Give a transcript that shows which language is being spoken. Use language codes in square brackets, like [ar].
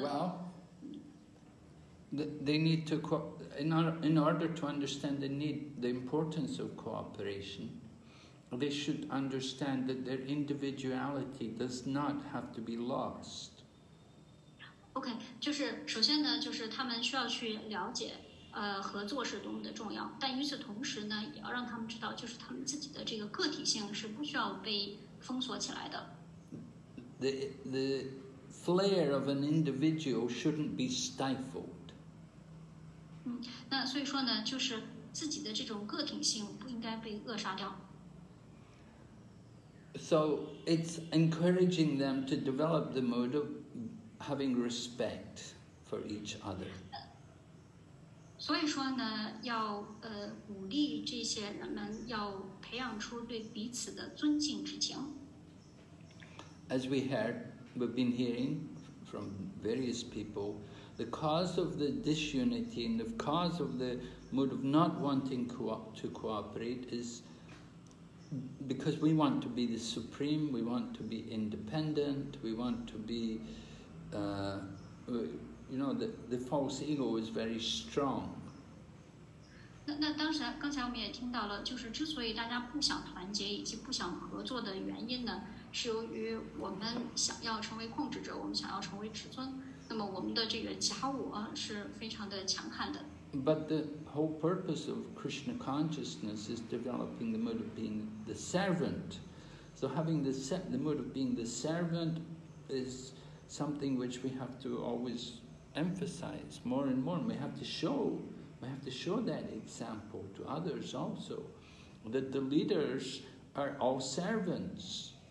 [en] Well,They need to, in order to understand the importance of cooperation, they should understand that their individuality does not have to be lost. [zh] Okay, 就是首先呢，就是他们需要去了解，合作是多么的重要。但与此同时呢，也要让他们知道，就是他们自己的这个个体性是不需要被封锁起来的。 [en] The flair of an individual shouldn't be stifled. [zh] 那所以说呢，就是自己的这种个体性不应该被扼杀掉。 [en] So it's encouraging them to develop the mode of having respect for each other. [zh] 所以说呢，要鼓励这些人们要培养出对彼此的尊敬之情。 [en] As we heard, we've been hearing from various people, the cause of the disunity and the cause of the mood of not wanting to cooperate is because we want to be the supreme, we want to be independent, we want to be, you know, the false ego is very strong. [zh] 那当时刚才我们也听到了，就是之所以大家不想团结以及不想合作的原因呢，是由于我们想要成为控制者，我们想要成为至尊，那么我们的这个假我是非常的强悍的。 [en] But the whole purpose of Krishna consciousness is developing the mood of being the servant. So having the mood of being the servant is something which we have to always emphasize more and more. We have to show that example to others also, that the leaders are all servants.